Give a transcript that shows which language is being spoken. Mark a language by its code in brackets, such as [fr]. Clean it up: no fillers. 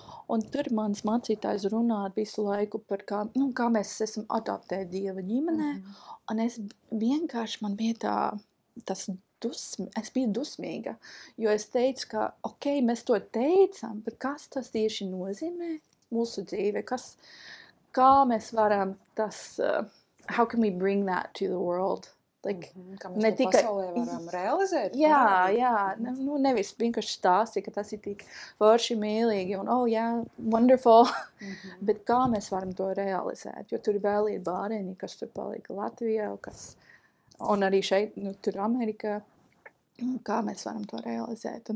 [lv] Un tur mans mācītājs runā visu laiku par kā, nu, kā mēs esam adaptējuši Dieva ģimenē. Mm-hmm. Un es vienkārši, man bija tā, tas es biju dusmīga. Jo es teicu, ka, ok, mēs to teicam, bet kas tas tieši nozīmē mūsu dzīve? Kā mēs varam tas, [en] how can we bring that to the world? [lv] Like, mm-hmm. Ne tikai pasaulē varam realizēt? Jā, jā, nu nevis vienkārši stāsti, ka tas ir tik forši mīlīgi un, [en] oh, yeah, wonderful, [lv] mm-hmm. bet kā mēs varam to realizēt? Jo tur vēl ir bāreņi, kas tur palika Latvijā, un arī šeit, nu, tur Amerikā, kā mēs varam to realizēt?